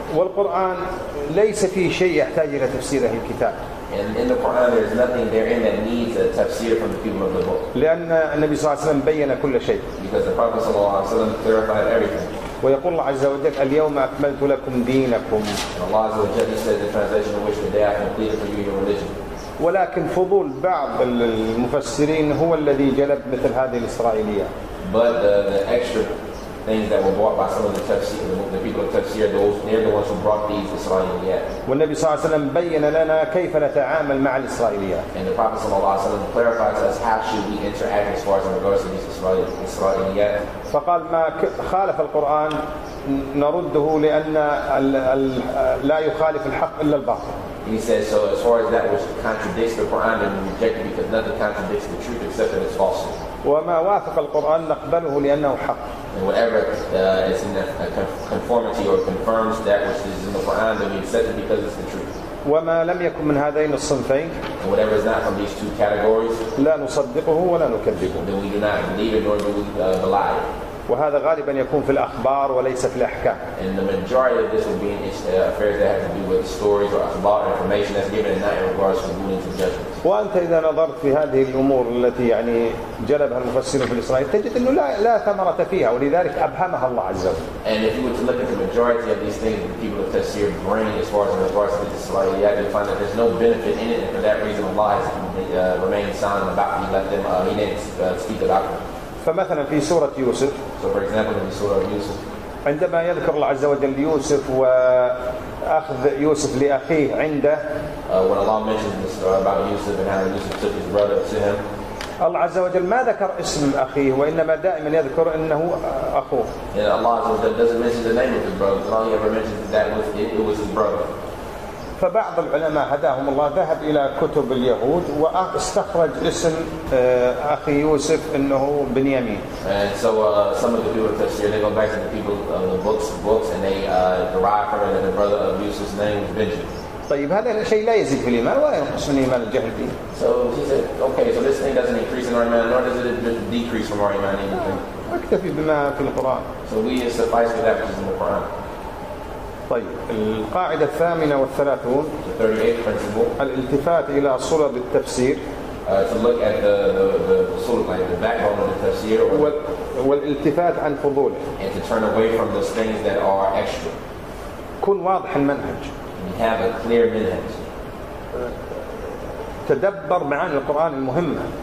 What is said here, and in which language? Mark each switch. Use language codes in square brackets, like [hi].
[ar] والقرآن ليس فيه شيء يحتاج إلى تفسيره الكتاب. [en] And in the Quran, there is nothing therein that needs a tafsir from the people of the book. [ar] لأن النبي صلى الله عليه وسلم بين كل شيء. [en] Because the Prophet [ar] صلى الله عليه وسلم [en] clarified everything. [ar] ويقول الله عز وجل اليوم أكملت لكم دينكم. [en] Allah Azza wa Jalla said the translation of which the day I completed for you your religion. [ar] ولكن فضول بعض المفسرين هو الذي جلب مثل هذه الإسرائيلية. [en] But the extra things that were brought by some of the tafsir, the people of tafsir, they're the ones who brought these Israeliyat. [ar] والنبي صلى الله عليه وسلم بين لنا كيف نتعامل مع الإسرائيليات. [en] And the Prophet [ar] صلى الله عليه وسلم [en] clarified to us how should we interact as far as in regards to these Israeliyat. [ar] فقال ما خالف القرآن نرده لأن لا يخالف الحق إلا الباطل. [en] He says, so as far as that which contradicts the Quran, then we reject it because nothing contradicts the truth except that it's false. [ar] وما وافق القرآن نقبله لأنه حق. [en] And whatever is in a conformity or confirms that which is in the Quran, then we accept it because it's the truth. [ar] وما لم يكن من هذين الصنفين. [en] And whatever is not from these two categories. [ar] لا نصدقه ولا نكذبه. [en] Then we do not believe it nor do we belie it. [ar] وهذا غالبا يكون في الأخبار وليس في الأحكام. [en] And the majority of this will be in affairs that have to do with stories or about information that's given and not in regards to rulings and judgments. [ar] وأنت إذا نظرت في هذه الأمور التي يعني جلبها المفسرون في الإسرائيل تجد أنه لا ثمرة فيها ولذلك أبهمها الله عز وجل. [en] And if you were to look at the majority of these things that the people of Tafsir bring as far as in regards to the Israeli, you have to find that there's no benefit in it, and for that reason Allah has remained silent about it. He didn't speak about it. [ar] فمثلا في سورة يوسف. [en] So for example in the Surah of Yusuf. [ar] عندما يذكر الله عز وجل يوسف وأخذ يوسف لأخيه عنده. [en] When Allah mentions the story about Yusuf and how Yusuf took his brother to him. [ar] الله عز وجل ما ذكر اسم أخيه وإنما دائما يذكر أنه أخوه. [en] Yeah, Allah Azza wa Jalla doesn't mention the name of his brother. All he ever mentions that it was his brother. [ar] فبعض العلماء هداهم الله ذهب إلى كتب اليهود واستخرج اسم أخي يوسف أنه بنيامين. [en] And so some of the people of Tafsir, they go back to the people of the books and they derive from it that the brother of Yusuf's name was Benjamin. [ar] طيب هذا الشيء لا يزيد في الإيمان ولا ينقص من إيمان الجهل فيه. [en] So he said, okay, so this thing doesn't increase in our iman, nor does it decrease from our iman either. [ar] أكتفي بما في القرآن. [en] So we suffice with that which is in the Quran. [ar] طيب القاعدة الثامنة والثلاثون. [en] The 38th principle. [ar] الالتفات إلى صلب التفسير. [en] To look at the صلب, like the backbone of the تفسير. [ar] والالتفات عن فضوله. [en] And to turn away from those things that are extra. [ar] كن واضح المنهج. [en] And you have a clear منهج. [ar] تدبر معاني القرآن المهمة.